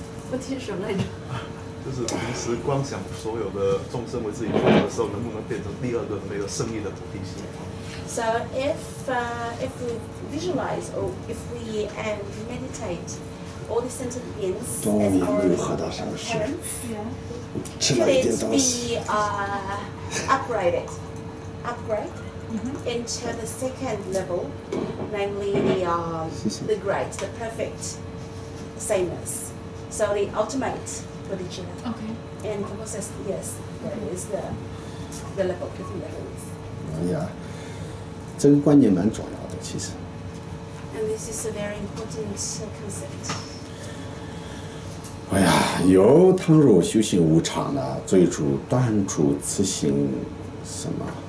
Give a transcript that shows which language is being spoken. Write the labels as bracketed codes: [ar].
[zh] 问题是什么来着？就是平时光想所有的众生为自己父母的时候，能不能变成第二个那个生意的菩提心？ [en] So if we visualize or if we and meditate all the sentient beings as our parents, should it be upgraded? Mm-hmm. Into the second level, namely the great, the perfect sameness. So the ultimate bodhicitta. Okay. And the process, yes, that is the level, different levels. Yeah. [zh] 这个观念蛮重要的，其实。 [en] And this is a very important concept. [zh] 哎呀，由倘若修行无常呢，最初断除此心什么？